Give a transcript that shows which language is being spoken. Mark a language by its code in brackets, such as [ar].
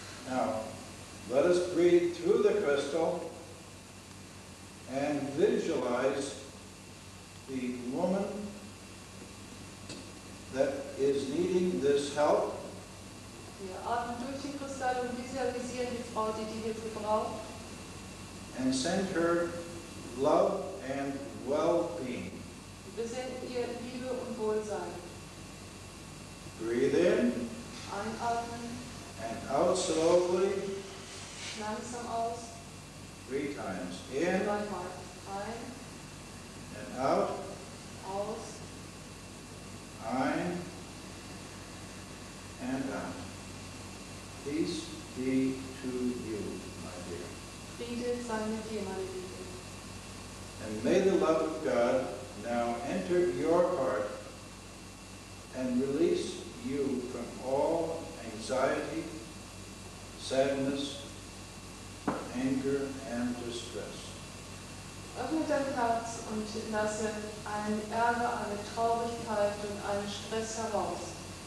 [en] Now, let us breathe through the crystal and visualize the woman that is needing this help. [de] Wir atmen durch den Kristall und visualisieren die Frau, die die Hilfe braucht. [en] And send her love and well-being. [de] Wir senden ihr Liebe und Wohlsein. [en] Breathe in. [de] Einatmen. [en] And out slowly. [de] Langsam aus. [en] Three times. In. [de] Dreimal. Ein. [en] And out. [de] Aus. Ein. [en] And out. Peace be to you, my dear. [de] Friede sei mit dir, meine Liebe. [en] And may the love of God now enter your heart and release you from all anxiety, sadness, anger, and distress. [de] Öffne dein Herz und lasse einen Ärger, eine Traurigkeit und einen Stress heraus.